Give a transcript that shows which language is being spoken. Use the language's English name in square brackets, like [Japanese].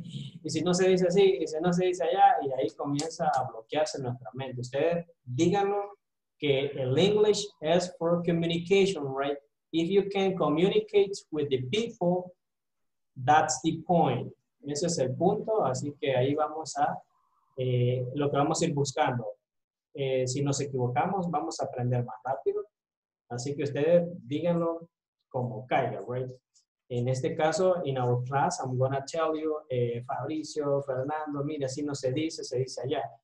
[Spanish] Y si no se dice así, y si no se dice allá, y ahí comienza a bloquearse nuestra mente. Ustedes díganlo que el [English] English is for communication, right? If you can communicate with the people, that's the point. [Spanish] Ese es el punto, así que ahí vamos a, lo que vamos a ir buscando. Si nos equivocamos, vamos a aprender más rápido. Así que ustedes díganlo como caiga, right? En este caso, [English] in our class, I'm gonna tell you, [Spanish] Fabricio, Fernando, mira, si no se dice, se dice allá.